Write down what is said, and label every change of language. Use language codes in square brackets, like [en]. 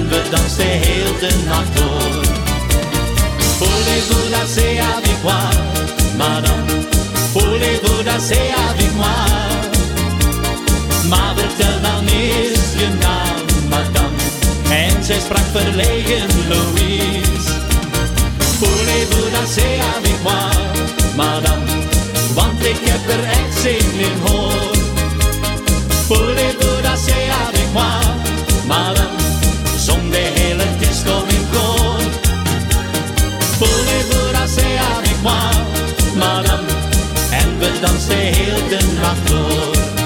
[nl] Dansen heel de nacht door. [fr] Voulez-vous danser avec moi, madame? Voulez-vous danser avec moi? [nl] Maar vertel dan eerst je naam, madame. En zij sprak verlegen, Louise. [fr] Voulez-vous danser avec moi, madame? [nl] Want ik heb er echt zin in, hoor. [fr] Voulez-vous danser avec moi, madame? [nl] Zong de hele disco in koor. [fr] Voulez-vous danser avec moi, madame? [nl] En we dansen heel de nacht door.